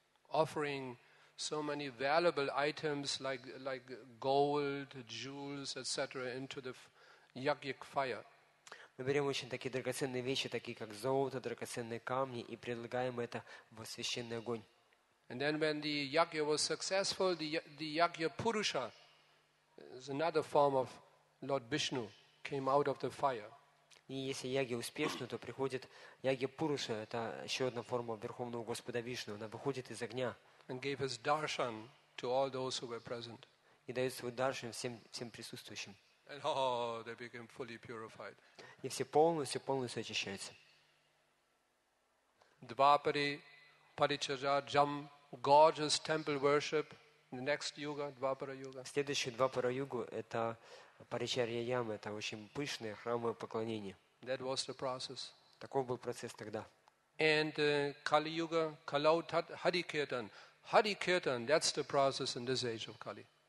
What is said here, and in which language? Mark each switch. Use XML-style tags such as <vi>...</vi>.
<en>Offering so many valuable items like gold, jewels, etc. into the yagyic fire.</en> <ru>Мы берем очень такие драгоценные вещи, такие как золото, драгоценные камни, и предлагаем это в священный огонь.</ru> <en>And then when the yagya was successful, the yagya purusha is another form of Lord Vishnu came out of the fire.</en> <ru>И если яги успешны, то приходит яги Пуруша, это еще одна форма Верховного Господа Вишну, она выходит из огня.</ru> <en>And gave his darshan to all those who were present.</en> <ru>И дает свой даршан всем присутствующим.</ru> <en>And oh, they became fully purified.</en> <ru>И все полностью очищаются.</ru> <sa>Двапари, паричарья, джам,</sa> <en>gorgeous temple worship. The next yuga, двапара юга.</en> <ru>Следующий двапара югу это паричарья ямы, это очень пышные храмы поклонения.</ru> <en>That was the process.</en> <ru>Таков был процесс тогда.</ru> <en>And Kali Yuga, Kalau Hari Kirtan. Hari Kirtan, that's the process in this age of Kali.</en>